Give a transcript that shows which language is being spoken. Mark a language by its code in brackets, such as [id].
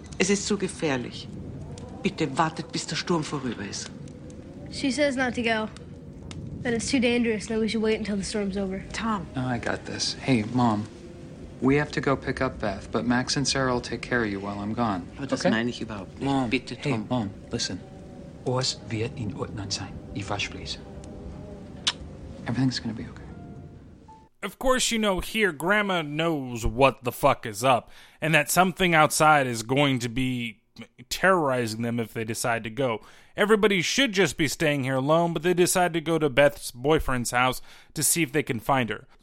[de] Es ist zu gefährlich. Bitte wartet, bis der Sturm vorüber ist. [en] She says not to go. That it's too dangerous, that we should wait until the storm's over. Tom. No, I got this. Hey, Mom, we have to go pick up Beth, but Max and Sarah will take care of you while I'm gone. Okay? Mom, Mom, listen. [de] Was wird in Ordnung sein, if I please. [en] Everything's gonna be okay. Of course, you know, here, Grandma knows what the fuck is up, and that something outside is going to be terrorizing them if they decide to go. Everybody should just be staying here alone, but they decide to go to Beth's boyfriend's house to see if they can find her.